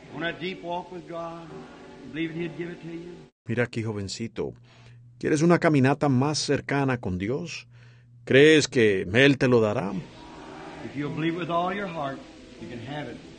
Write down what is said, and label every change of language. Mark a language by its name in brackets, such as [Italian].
[English] a deep walk with God, believing He'd give it to you. [Spanish] Mira aquí, jovencito. ¿Quieres una caminata más cercana con Dios? ¿Crees que Él te lo dará? [English] If you believe with all your heart, you can have it.